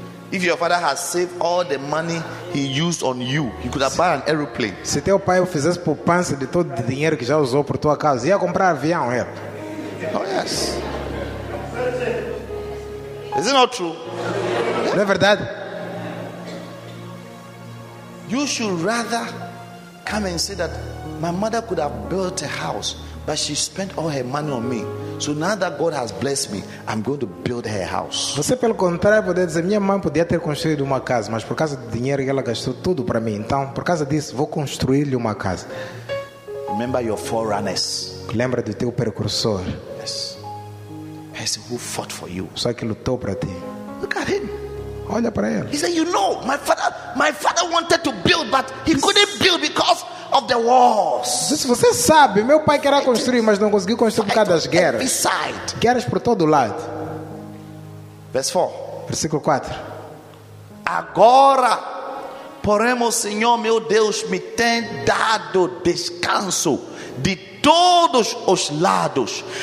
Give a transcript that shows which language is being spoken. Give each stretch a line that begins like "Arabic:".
English: If your father has saved all the money he used on you, he could have bought an aeroplane.
Portuguese: Se teu pai fizesse poupança de todo o dinheiro que já usou por tua casa, ia comprar avião, é?
English: Oh, yes. Is it not true?
Portuguese: Não é verdade?
English: You should rather come and say that my mother could have built a house, but she spent all her money on me. So now that God has blessed me, I'm going to build her house.
Portuguese: Você pelo contrário poderia dizer, minha mãe podia ter construído uma casa, mas por causa do dinheiro que ela gastou tudo para mim, então por causa disso vou construir-lhe uma casa.
English: Remember your forerunners.
Portuguese: Lembra do teu precursor.
English: Yes. Person who fought for you.
Portuguese: Só que lutou para ti.
English: Look at him.
Portuguese: Olha para ele.
English: He said, you know, my father wanted to build, but he couldn't build because of the walls.
Portuguese: Você sabe, meu pai queria construir, mas não conseguiu construir por causa das guerras.
English: Every side.
Portuguese: Guerras por todo lado.
English: Verse 4.
Portuguese: Versículo 4. Agora, porém, o Senhor, meu Deus, me tem dado descanso de todos os lados.